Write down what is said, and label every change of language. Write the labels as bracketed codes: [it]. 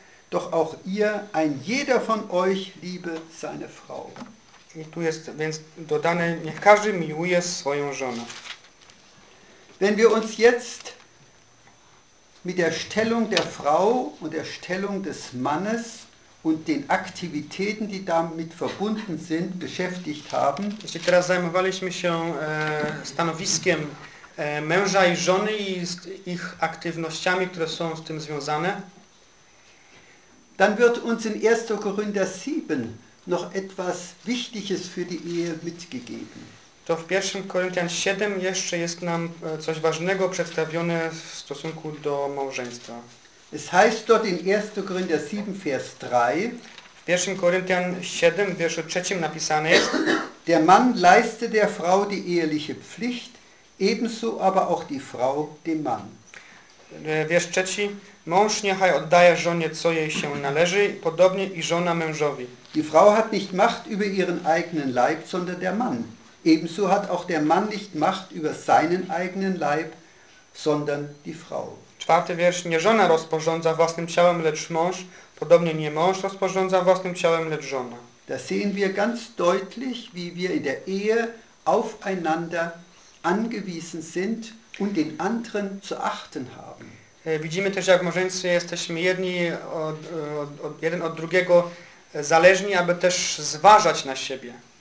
[de] Doch auch ihr, ein jeder von euch liebe seine Frau. [pl] I tu jest więc dodane, niech każdy miłuje swoją żonę. [de] Wenn wir uns jetzt mit der Stellung der Frau und der Stellung des Mannes und den Aktivitäten, die damit verbunden sind, beschäftigt haben. [pl] Jeśli teraz zajmowaliśmy się stanowiskiem męża i żony i ich aktywnościami, które są z tym związane, [de] dann wird uns in 1. Korinther 7 noch etwas Wichtiges für die Ehe mitgegeben. [pl] To w 1. Korinthian 7 jeszcze jest nam coś ważnego przedstawione w stosunku do małżeństwa. [de] Es heißt dort in 1. Korinther 7, Vers 3, [pl] w 1. Korinthian 7, w wierszu 3 napisane jest, [de] der Mann leiste der Frau die eheliche Pflicht, ebenso aber auch die Frau dem Mann. [pl] Wiersz 3, mąż niechaj oddaje żonie, co jej się należy, podobnie i żona mężowi. [de] Die Frau hat nicht Macht über ihren eigenen Leib, sondern der Mann. Ebenso hat auch der Mann nicht Macht über seinen eigenen Leib, sondern die Frau. [pl] Czwarty wiersz, nie żona rozporządza własnym ciałem, lecz mąż, podobnie nie mąż rozporządza własnym ciałem, lecz żona. [de] Da sehen wir ganz deutlich, wie wir in der Ehe aufeinander angewiesen sind und den anderen zu achten haben. [pl] Widzimy też, jak w małżeństwie jesteśmy jedni jeden od drugiego zależni, aby też zważać na siebie.